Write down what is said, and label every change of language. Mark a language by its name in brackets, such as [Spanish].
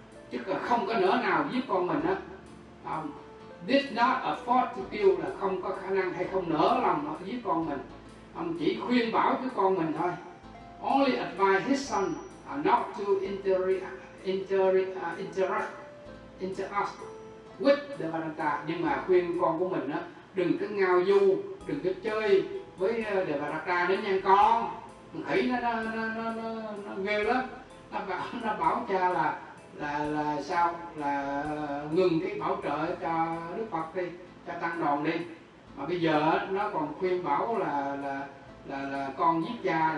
[Vietnamese] Chứ không có nữa nào giết con mình á. [English] Did not afford to kill [Vietnamese] là không có khả năng hay không nỡ lòng nó giết con mình. Chỉ khuyên bảo cái con mình thôi. [English] Only advise his son not to interact with the Devadatta. [Vietnamese] Nhưng mà khuyên con của mình á, đừng có ngao du, đừng có chơi với Devadatta nữa nha con. Khỉ nó ghê lắm. Nó bảo cha là sao là ngừng cái bảo trợ cho Đức Phật đi, cho tăng đoàn đi, mà bây giờ nó còn khuyên bảo là con giết cha.